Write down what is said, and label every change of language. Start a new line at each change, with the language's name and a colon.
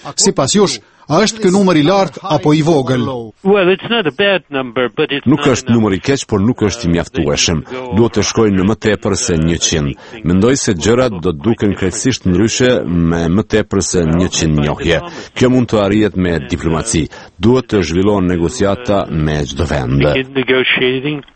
Albanian: Sipas jush, a është ky numër i lartë apo i vogël?
English: Well, it's not a bad number, but it's
Albanian: nuk është numër i keq, por nuk është i mjaftueshëm. Duhet të shkojnë në më tepër se 100. Mendoj se gjërat do të duken krejtësisht ndryshe me më tepër se 100 njohje. Kjo mund të arrihet me diplomaci. Duhet të zhvillohen negociata me çdo vend.